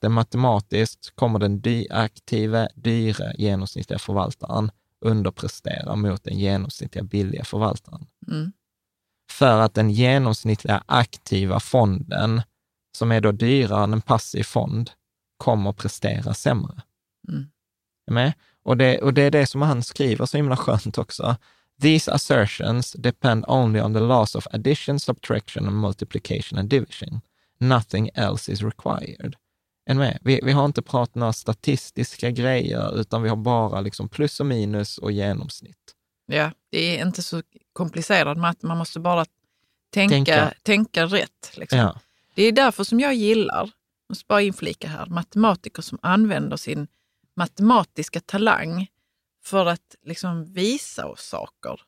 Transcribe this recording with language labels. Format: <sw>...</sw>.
<sv>Det matematiskt kommer den aktiva, dyra genomsnittliga förvaltaren underprestera mot den genomsnittliga billiga förvaltaren. Mm. För att den genomsnittliga aktiva fonden, som är då dyrare än en passiv fond, kommer att prestera sämre. Mm. Är med? Och det är det som han skriver så himla skönt också.</sv> <en>These assertions depend only on the laws of addition, subtraction and multiplication and division. Nothing else is required.</en> <sv>Vi har inte pratat några statistiska grejer, utan vi har bara liksom plus och minus och genomsnitt. Ja, det är inte så komplicerat, men att man måste bara tänka rätt. Liksom. Ja. Det är därför som jag gillar, jag måste bara inflika här, matematiker som använder sin matematiska talang för att liksom visa oss saker.</sv>